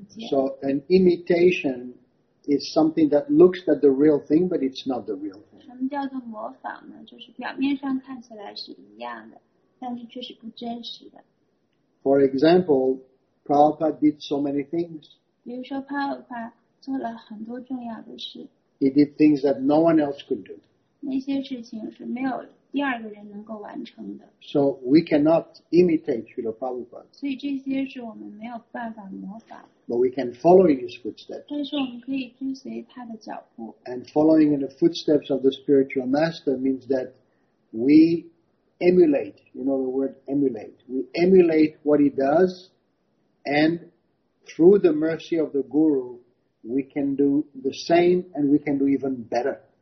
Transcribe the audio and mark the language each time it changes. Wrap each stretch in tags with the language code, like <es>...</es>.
<en>So an imitation is something that looks at the real thing, but it's not the real thing.</en> <zh>什么叫做模仿呢？就是表面上看起来是一样的，但是却是不真实的。</zh> <en>For example, Prabhupada did so many things.</en> <zh>比如说，帕尔帕做了很多重要的事。</zh> <en>He did things that no one else could do.</en> <zh>那些事情是没有第二个人能够完成的。</zh> <en>So we cannot imitate Srila Prabhupada.</en> <zh>所以这些是我们没有办法模仿。</zh> <en>But we can follow in his footsteps.</en> <zh>但是我们可以追随他的脚步。</zh> <en>And following in the footsteps of the spiritual master means that we emulate, you know the word emulate. We emulate what he does, and through the mercy of the guru, we can do the same and we can do even better.</en>